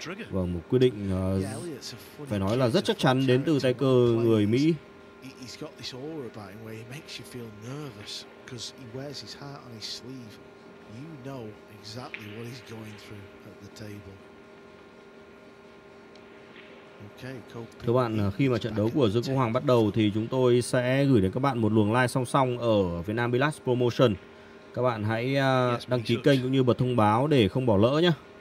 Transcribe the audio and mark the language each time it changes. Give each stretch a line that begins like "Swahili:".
Vietnamese: Vâng, một quyết định phải nói là rất chắc chắn đến từ tay cơ người Mỹ.
English: He's got this aura about him where he makes you feel nervous because he wears his heart on his sleeve. You know exactly what he's going through at the table.
Vietnamese: Okay, thưa bạn, khi mà trận đấu của Dương Quốc Hoàng bắt đầu thì chúng tôi sẽ gửi đến các bạn một luồng live song song ở Vietnam Bilas Promotion. Các bạn hãy đăng ký kênh cũng như bật thông báo để không bỏ lỡ nhé.